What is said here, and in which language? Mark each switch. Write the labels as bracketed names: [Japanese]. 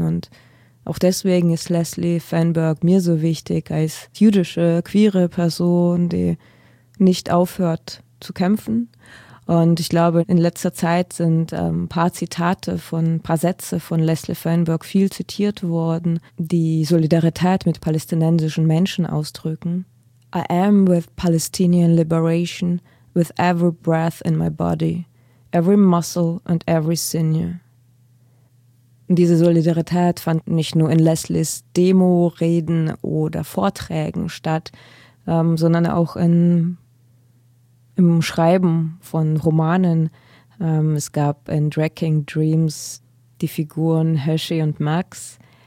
[German] Und auch deswegen ist Leslie Feinberg mir so wichtig als jüdische, queere Person, die nicht aufhört zu kämpfen. Und ich glaube, in letzter Zeit sind ein paar Sätze von Leslie Feinberg viel zitiert worden, die Solidarität mit palästinensischen Menschen ausdrücken. [English] I am with Palestinian liberation, with every breath in my body, every muscle and every sinew. [German] Diese Solidarität fand nicht nur in Leslies Demo-Reden oder Vorträgen statt, sondern auch im Schreiben von Romanen. Es gab in Drag King Dreams die Figuren Hershey und Max.